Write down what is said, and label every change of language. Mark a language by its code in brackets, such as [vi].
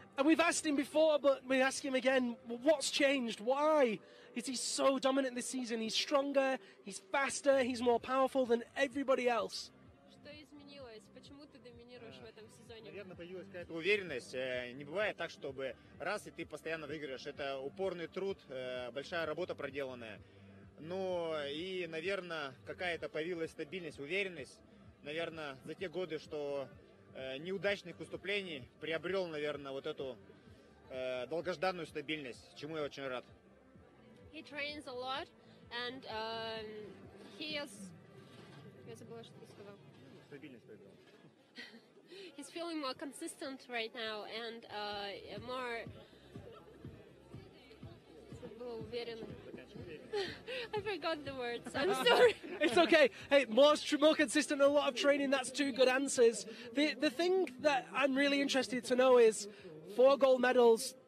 [en] And we've asked him before, but we ask him again, what's changed? Why is he so dominant this season? He's stronger, he's faster, he's more powerful than everybody else. [ru] Что изменилось? Почему ты доминируешь в этом сезоне? Наверное, появилась какая-то уверенность. Не бывает так, чтобы раз, и ты постоянно выигрываешь. Это упорный труд, большая работа проделанная. Ну и, наверное, какая-то появилась стабильность, уверенность. Наверное, за те годы, что неудачных выступлений, приобрел, наверное, вот эту долгожданную стабильность, чему я очень рад. [en] He trains a lot, and he is... [ru] Я забыла, что ты сказал. Стабильность приобрел. [en] He's feeling more consistent right now, and more... [ru] Забыла, уверенно. [en] I forgot the words. I'm sorry. It's okay. Hey, more consistent, a lot of training. That's two good answers. The thing that I'm really interested to know is 4 gold medals.